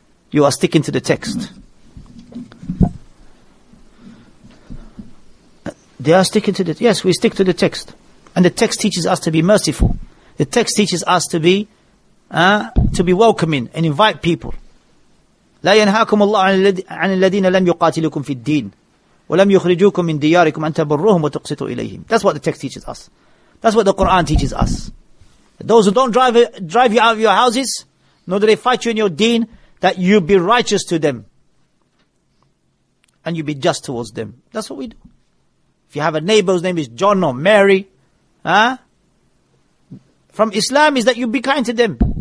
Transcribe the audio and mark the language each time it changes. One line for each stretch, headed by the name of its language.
English: You are sticking to the text. They are sticking to the text. Yes, we stick to the text. And the text teaches us to be merciful. The text teaches us to be welcoming and invite people.
Arabic: لا ينهاكم الله عن الذين لم يقاتلكم في الدين ولم يخرجوكم من دياركم أن تبروهم وتقسطوا إليهم.
English: That's what the text teaches us. That's what the Quran teaches us. Those who don't drive you out of your houses, nor do they fight you in your deen, that you be righteous to them and you be just towards them. That's what we do. If you have a neighbor whose name is John or Mary, from Islam is that you be kind to them.